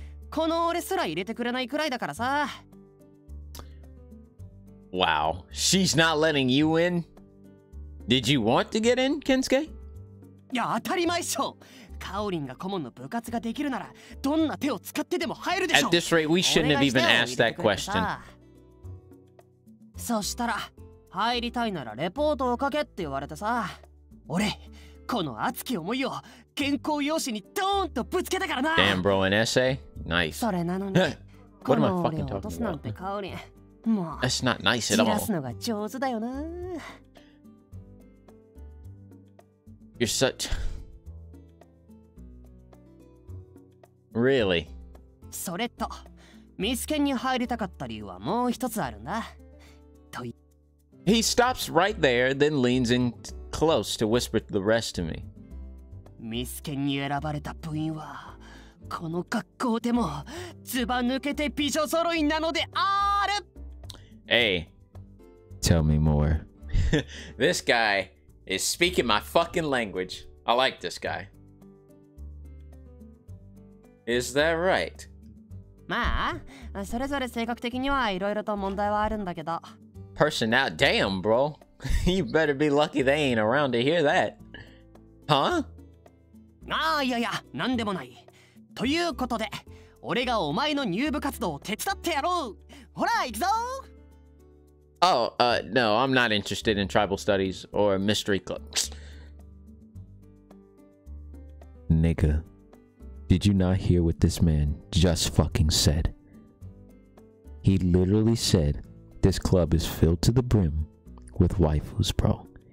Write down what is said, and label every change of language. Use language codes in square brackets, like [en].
[ja] この俺すら入れてくれないくらいだからさ。 [en] Wow. She's not letting you in? Did you want to get in, Kensuke? [ja] いや、当たり前っしょ。カオリンが顧問の部活ができるなら、どんな手を使ってでも入るでしょ。 [en] At this rate, we shouldn't have even asked that question. [ja] そしたら、入りたいならレポートを書けって言われてさ。俺、この熱き思いを原稿用紙にドーンとぶつけたからな。 [en] Damn bro, an essay? Nice. [ja] それなのに、この俺を落とすなんてカオリン、もう、 [en] That's not nice at all. [ja] 散らすのが上手だよな。 [en] You're such... Really? [ja] それと、ミスケンに入りたかった理由はもう一つあるな。と [en] He stops right there, then leans in close to whisper the rest to me. [ja] ミスケンに選ばれた部員は、この格好でも、ズバ抜けて美女揃いなのである [en] Hey. Tell me more. This guy is speaking my fucking language. I like this guy. Is that right? [ja] まあ、それぞれ性格的にはいろいろと問題はあるんだけど。 [en] Personality? Damn, bro. You better be lucky they ain't around to hear that. Huh? [ja] ああ、いやいや、なんでもない。ということで、俺がお前の入部活動を手伝ってやろう。ほら、行くぞ。 [en] Oh, no, I'm not interested in tribal studies or mystery clubs. Nigga. Did you not hear what this man just fucking said? He literally said this club is filled to the brim with waifus, bro.